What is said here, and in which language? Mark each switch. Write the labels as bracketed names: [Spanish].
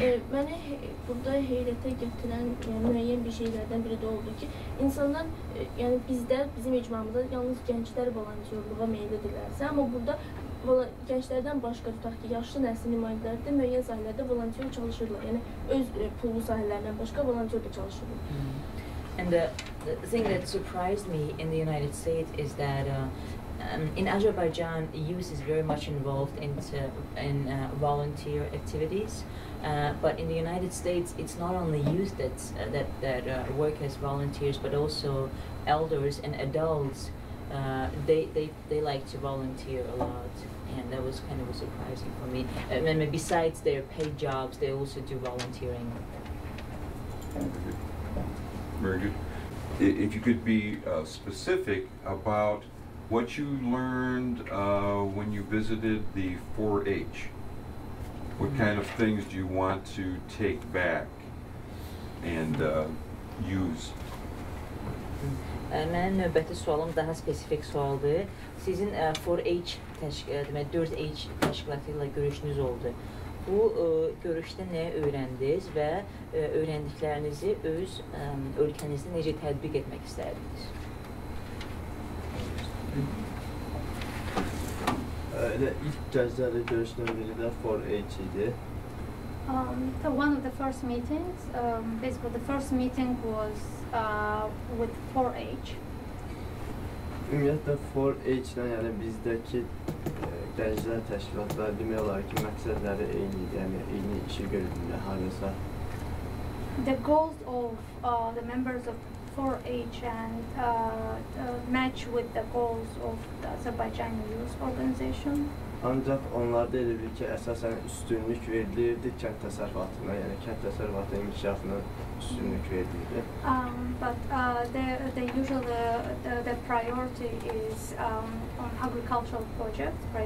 [Azerbaijani] Məni burada heyrətə gətirən müəyyən bir şeylərdən biri də oldu ki, insanlar, yəni bizim icmamızda yalnız gənclər volontyorluğa meyillidirlərsə, amma burada gənclərdən başqa tutaq ki, yaşlı nəsli nümayəndələr də müəyyən sahələrdə volontyor çalışırlar. Yəni, öz pulu sahələrindən başqa volontyor da çalışırlar. [English] And the thing that surprised me in the United States is that in Azerbaijan, youth is very much involved in volunteer activities. But in the United States, it's not only youth that work as volunteers, but also elders and adults. They like to volunteer a lot, and that was kind of surprising for me. And then besides their paid jobs, they also do volunteering. Very good. If you could be specific about what you learned when you visited the 4-H, what kind of things do you want to take back and use? [Azerbaijani] Mənim növbəti sualım daha spesifik sualdır. Sizin 4-H deməli 4-H təşkilatı ilə görüşünüz oldu. Bu görüşdə nə öyrəndiniz və öyrəndiklərinizi öz ölkənizdə necə tətbiq etmək istərdiniz? İlk gəzləri görüşdə biri də 4-H idi. [English] So one of the first meetings, basically the first meeting was with 4-H. [Azerbaijani] Ümumiyyətlə 4-H-dən yəni bizdəki gənclər təşkilatları demək olar ki, məqsədləri eyni idi, yəni eyni işi görürdüm, hərisə. [English] The goals of the members of 4-H and match with the goals of the Azerbaijan Youth Organization. [Azerbaijani] Ancaq onlarda elə bir ki, əsasən üstünlük verilirdi kənd təsərrüfatına, yəni kənd təsərrüfatının inkişafına üstünlük verilirdi. [English] But the usually the priority is on agricultural projects,